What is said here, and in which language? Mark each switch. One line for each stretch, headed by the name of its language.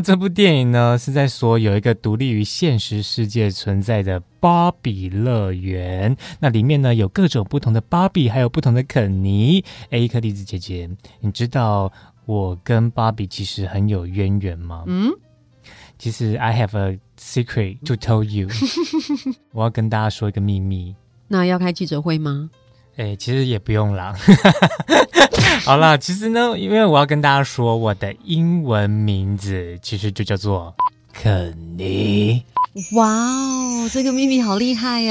Chinese: 这部电影呢，是在说有一个独立于现实世界存在的芭比乐园。那里面呢，有各种不同的芭比，还有不同的肯尼。哎，一颗栗子姐姐，你知道我跟芭比其实很有渊源吗？嗯，其实
English: I have a secret to tell you。
Chinese: 我要跟大家说一个秘密。那要开记者会吗？欸，其实也不用啦。好啦，其实呢，因为我要跟大家说，我的英文名字其实就叫做肯尼。哇哦，这个秘密好厉害哦。